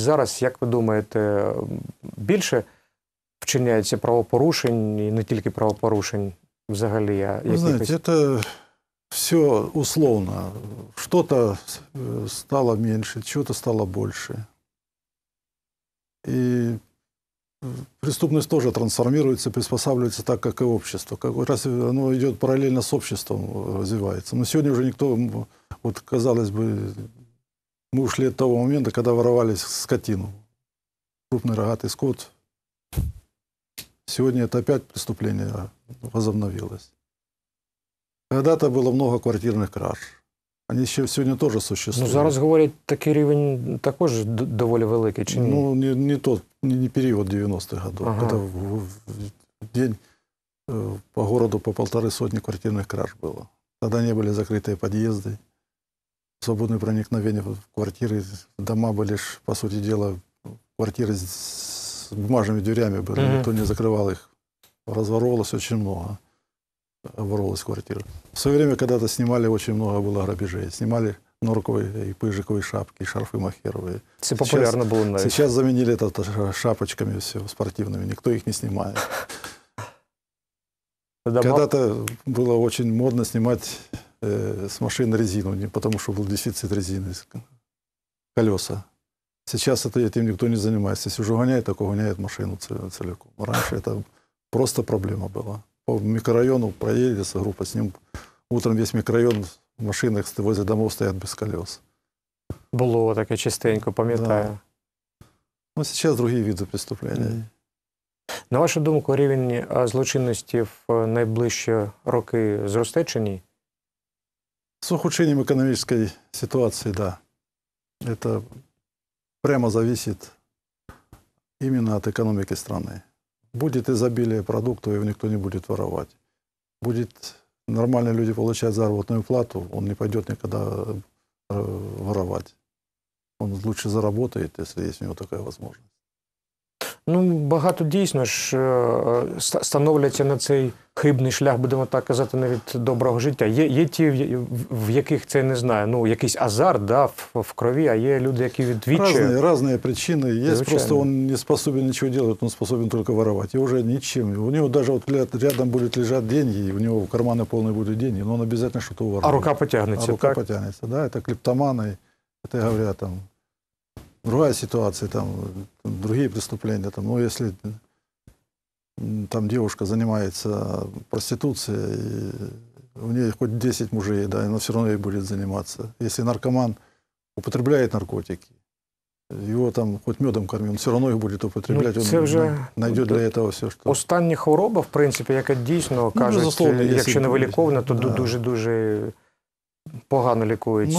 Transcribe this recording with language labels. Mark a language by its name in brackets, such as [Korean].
[Ukrainian] Зараз, як ви думаєте, більше вчиняється правопорушень, і не тільки правопорушень взагалі, а якихось? Знаєте, це все условно. Що-то стало менше, чого-то стало більше. [Russian] И преступность тоже трансформируется, приспосабливается так, как и общество. Как раз оно идет параллельно с обществом, развивается. Но сегодня уже никто, вот казалось бы, мы ушли от того момента, когда воровались скотину. Крупный рогатый скот. Сегодня это опять преступление возобновилось. Когда-то было много квартирных краж. [Ukrainian] Вони ще сьогодні теж существують. Ну, зараз говорять, такий рівень також доволі великий, чи ні? Ну, не тот, не період 90-х років, ага. Коли в день по городу по полтори сотні квартирних краж було. Тоді не були закриті під'їзди, свободне проникновення в квартири, дома були ж, по суті діла, квартири з бумажними дверями були, ага. Ніхто не закривав їх. Розворовувалось дуже багато. Воровалась квартира. [Russian] В своё время когда-то снимали, очень много было грабежей. Снимали норковые и пыжиковые шапки, шарфы махеровые. Это популярно было, наверное. Сейчас заменили это шапочками все спортивными. Никто их не снимает. Когда-то было очень модно снимать с машин резину, потому что был дефицит резины, колеса. Сейчас этим никто не занимается. Если уже гоняет, так угоняет машину целиком. Раньше это просто проблема была. [Ukrainian] По мікрорайону проїдеться група, з ним [Russian] утром [Ukrainian] весь мікрорайон в машинах [Russian] возле домов стоять без колес. [Ukrainian] Було таке частенько, пам'ятаю. Да. Ну, зараз другі види преступлення. На вашу думку, рівень злочинності в найближчі роки зросте чи ні? З ухудшенням економічної ситуації, так. Да. Це прямо залежить іменно від економіки країни. [Russian] Будет изобилие продуктов, его никто не будет воровать. Будет нормальные люди получать заработную плату, он не пойдет никогда воровать. Он лучше заработает, если есть у него такая возможность. [Ukrainian] Ну, багато дійсно ж становляться на цей хибний шлях, будемо так казати, навіть доброго життя. Є, є ті, в яких це, не знаю, ну, якийсь азарт, да, в крові, а є люди, які відвідчують. Різні, різні причини є, звичайно. Просто він не способен нічого робити, він способен тільки воровати. І вже нічим. У нього навіть от рядом будуть лежати гроші, і у нього в кармані повні будуть гроші, але він обов'язково щось воровує. А рука потягнеться, а рука потягнеться, да, це клептомани, це, говорять, там. [Russian] Другая ситуация, там, другие преступления, там, ну, если там девушка занимается проституцией, у нее хоть 10 мужей, да, она все равно ей будет заниматься. Если наркоман употребляет наркотики, его там хоть медом корми, он все равно их будет употреблять, ну, он [Ukrainian] вже [Russian] найдет для этого все, что... [Ukrainian] Остання хвороба, в принципе, яка дійсно, кажуть, ну, якщо не вилікована, то да. Дуже-дуже погано лікується.